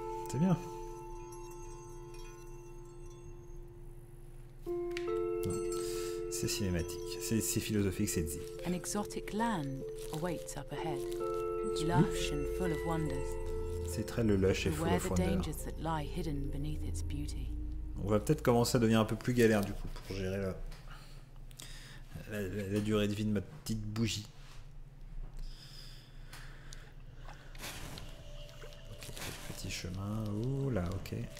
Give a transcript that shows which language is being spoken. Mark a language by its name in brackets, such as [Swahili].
[French] C'est bien. C'est cinématique, c'est philosophique, c'est dit. [English] An exotic land awaits up ahead, lush and full of wonders. [French] C'est très le lush et [English] full of wonders. That lie hidden beneath its beauty. [French] On va peut-être commencer à devenir un peu plus galère du coup pour gérer la durée de vie de ma petite bougie. Okay, petit chemin. Ouh là, ok.